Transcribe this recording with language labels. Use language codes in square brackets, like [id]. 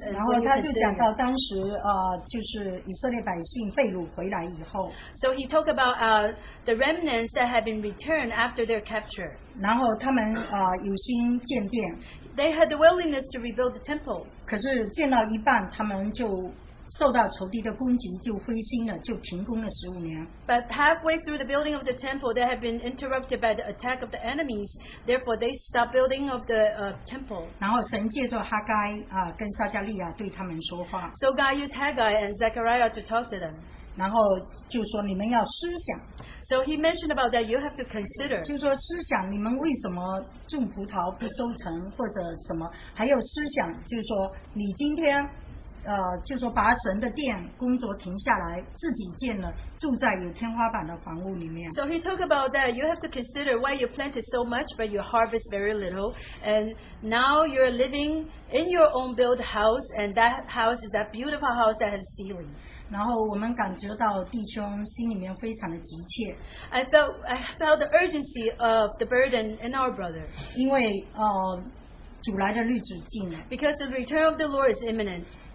[zh] 然后他就讲到当时就是以色列百姓被掳回来以后 [en] ，so he talked about the remnants that had been returned after their capture. [zh] 然后他们有心建殿 [en] ，they had the willingness to rebuild the temple. [zh] 可是建到一半，他们就 受到仇敌的攻击就灰心了，就停工了15年。 [en] But halfway through the building of the temple, they had been interrupted by the attack of the enemies. Therefore, they stopped building of the temple. [zh] 然后神借着哈该跟撒加利亚对他们说话。 [en] So God used Haggai and Zechariah to talk to them. [zh] 然后就说你们要思想, [en] so he mentioned about that you have to consider. [zh] 就说思想你们为什么种葡萄不收成或者什么还有思想就是说你今天 就说把神的殿工作停下来自己建了住在有天花板的房屋里面。 [en] So he talked about that you have to consider why you planted so much but you harvest very little, and now you're living in your own built house, and that house is that beautiful house that has ceiling. [zh] 然后我们感觉到弟兄心里面非常的急切。 [en] I felt the urgency of the burden in our brother. [zh] 因为主来的日子近了。 [en] Because the return of the Lord is imminent.